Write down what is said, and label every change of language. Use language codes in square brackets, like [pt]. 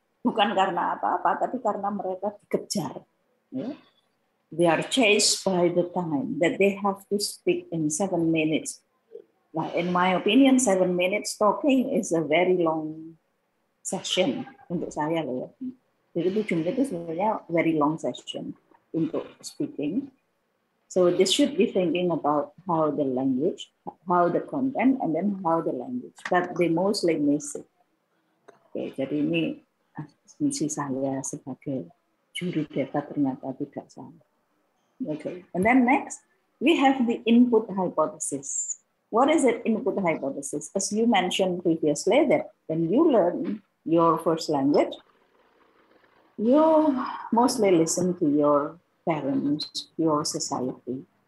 [id] Bukan karena apa-apa, tapi karena mereka dikejar. [en] They are chased by the time that they have to speak in 7 minutes. Nah, in my opinion, 7 minutes talking is a very long session [id] untuk saya loh. [en] Ya. [id] Jadi 7 menit itu sebenarnya [en] very long session [id] untuk speaking. [en] So this should be thinking about how the language, how the content, and then how the language. But they mostly miss it. [id] Okay, jadi ini asumsi saya sebagai juri debat ternyata tidak salah. [en] Okay, and then next we have the input hypothesis. What is an input hypothesis? As you mentioned previously, that when you learn your first language, you mostly listen to your parents, your society.